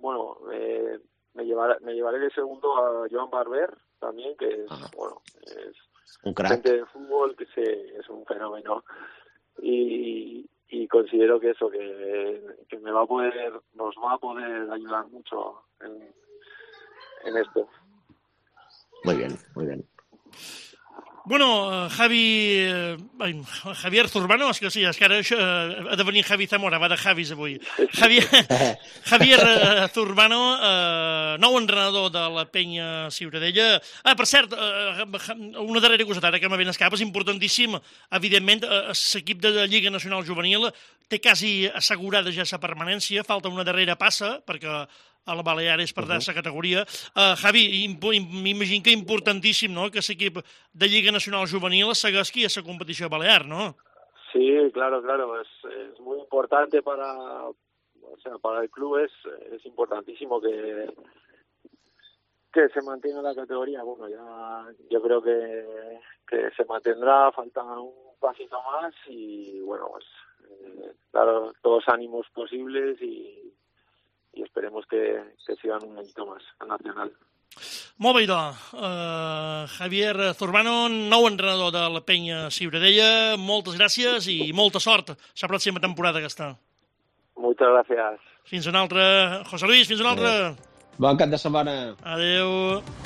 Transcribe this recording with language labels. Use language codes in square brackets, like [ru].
[es] Bueno, me llevaré de segundo a Joan Barber también, que es, bueno, es un crack. Gente de fútbol, que sí, es un fenómeno. Y considero que eso, que me va a poder, nos va a poder ayudar mucho en esto. Muy bien, muy bien. [ca] Bueno, Javier Zurbano, és que sí, és que ara això, ha de venir Javi Zamora, va de Javis avui. Javier Zurbano, nou entrenador de la Penya Ciutadella. Ah, per cert, una darrera cosa, ara que m'ha ben escapat, és importantíssim, evidentment, l'equip de la Lliga Nacional Juvenil té quasi assegurada ja sa permanència, falta una darrera passa, perquè a la Baleares per d'aquesta categoria. Javi, m'imagino que és importantíssim, no?, que l'equip de Lliga Nacional Juvenil segueixi a la competició Balear, no? [es] Sí, claro, claro, es muy importante para, o sea, para el club es importantísimo que se mantenga la categoría. Bueno, ya yo creo que se mantendrá, falta un pasito más y bueno, pues claro, todos ánimos posibles y esperemos que sigan un poquito más a Nacional. [ca] Molt bé, idò. Javier Zurbano, nou entrenador de la Penya Ciutadella, moltes gràcies i molta sort la pròxima temporada que està. Moltes gràcies. Fins una altra, José Luis, fins una altra. Bon cap de setmana. Adéu.